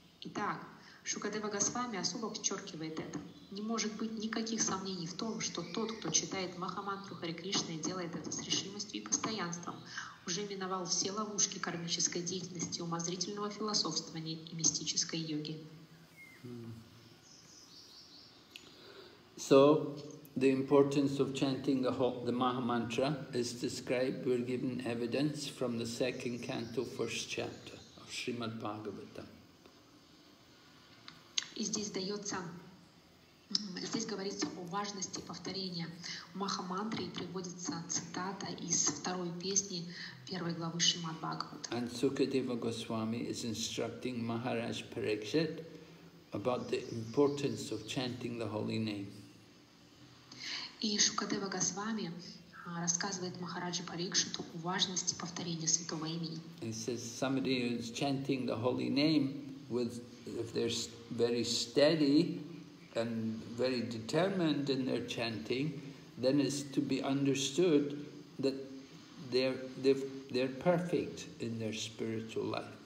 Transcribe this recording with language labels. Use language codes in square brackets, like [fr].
[ru] Итак, Шукадева Госвами особо подчеркивает это. Не может быть никаких сомнений в том, что тот, кто читает Махамантру Харе Кришна и делает это с решимостью и постоянством, уже миновал все ловушки кармической деятельности, умозрительного философствования и мистической йоги. [en] So, the importance of chanting the Mahamantra is described, we're given evidence from the second canto, first chapter of Srimad Bhagavatam. [ru] И здесь дается, здесь говорится о важности повторения Махамантры и приводится цитата из второй песни первой главы Шримад Бхагаватам. [en] And Sukadeva Goswami is instructing Maharaj Parikshit about the importance of chanting the holy name. [ru] И Шукадева Госвами рассказывает Махараджу Парикшиту о важности повторения святого имени. [en] He says somebody who is chanting the holy name with, if they're very steady and very determined in their chanting, then it's to be understood that they're perfect in their spiritual life.